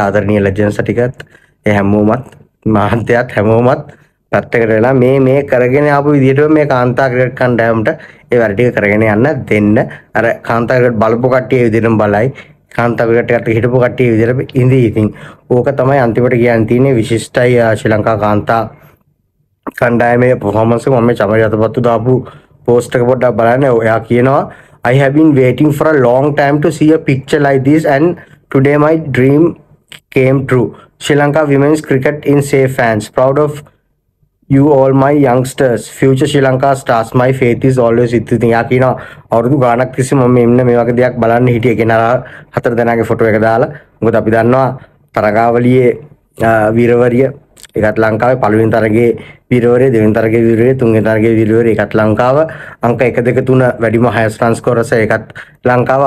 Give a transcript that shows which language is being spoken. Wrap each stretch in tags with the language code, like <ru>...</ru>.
<si>ආදරණීය ලෙජන්ඩ්ස් ටිකත් ඒ හැමෝමත් මහන්තයත් හැමෝමත් පැත්තකට වෙලා මේ කරගෙන ආපු විදිහට මේ කාන්තා ක්‍රිකට් කණ්ඩායමට ඒ වැඩ ටික කරගෙන යන්න දෙන්න. අර කාන්තා ක්‍රිකට් බලපු කට්ටිය විදිහටම බලයි, කාන්තා ක්‍රිකට් එකට හිටපු කට්ටිය විදිහට ඉඳි. ඉතින් ඕක තමයි අන්තිමට කියන්න තියෙන්නේ. විශිෂ්ටයි ශ්‍රී ලංකා කාන්තා කණ්ඩායමේ පර්ෆෝමන්ස් එක. මම මේ චමරි අතපත්තු දාපු පෝස්ට් එක පොඩ්ඩක් බලන්න. එයා කියනවා</si> <en>I have been waiting for a long time to see a picture like this and today my dream came true. Sri Lanka women's cricket in safe hands. Proud of you all my youngsters. Future Sri Lanka stars. My faith is always with you.</en> <si>එයා කියනවා අවුරුදු ගාණක් තිස්සේ මම ඉන්න මේ වගේ දෙයක් බලන්න හිටිය කෙනා හතර දෙනාගේ ෆොටෝ එක දාලා. මොකද අපි දන්නවා තරගාවලියේ වීරවරිය එකත් ලංකාවේ පළවෙනි තරගයේ වීරවරිය, දෙවෙනි තරගයේ වීරවරිය, තුන්වෙනි තරගයේ වීරවරිය එකත් ලංකාව. අංක 1 2 3 වැඩිම</si> <en>highest run scorers</en> <si>එකත් ලංකාව.</si>